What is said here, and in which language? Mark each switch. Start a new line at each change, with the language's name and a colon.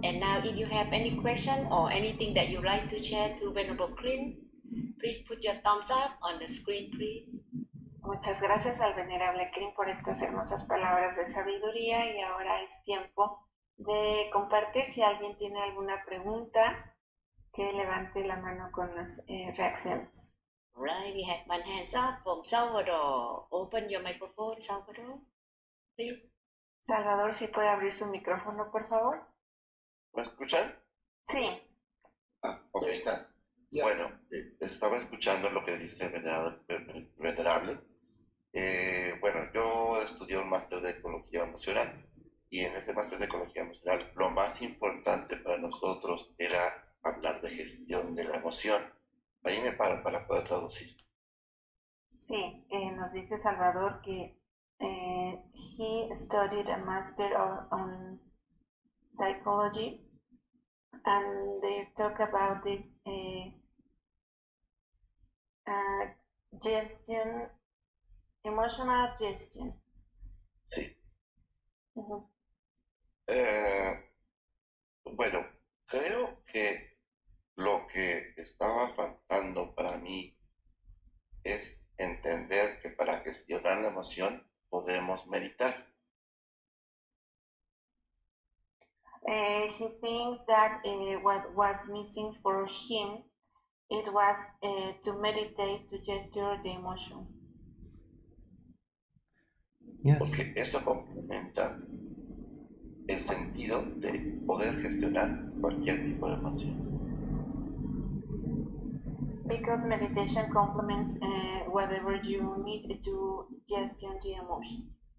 English: And now, if you have any question or anything that you'd like to share to Venerable Klint, please put your thumbs up on the screen, please.
Spanish: Muchas gracias al Venerable Klint por estas hermosas palabras de sabiduría. Y ahora es tiempo de compartir. Si alguien tiene alguna pregunta, que levante la mano con las reacciones.
English: Right, we have one hands up from Salvador. Open your microphone, Salvador, please.
Spanish: Salvador, ¿sí puede abrir su micrófono, por favor? ¿Me escuchan? Sí. Ah, ok. Ahí está.
English: Yeah.
Spanish: Bueno, estaba escuchando lo que dice Venerable. Bueno, yo estudié un máster de ecología emocional y en ese máster de ecología emocional lo más importante para nosotros era hablar de gestión de la emoción. Ahí me paro para poder traducir. Sí, nos dice Salvador que
English: he studied a master on psychology and they talk about the gestion, emotional gestion.
Spanish: Sí. Uh-huh. Bueno, creo que lo que estaba faltando para mí es entender que para gestionar la emoción podemos meditar.
English: She thinks that what was missing for him, it was to meditate, to gesture the emotion. Yes.
Spanish: Porque eso complementa el sentido de poder gestionar cualquier tipo de emoción.
English: Because meditation complements whatever you need to gestion the emotion.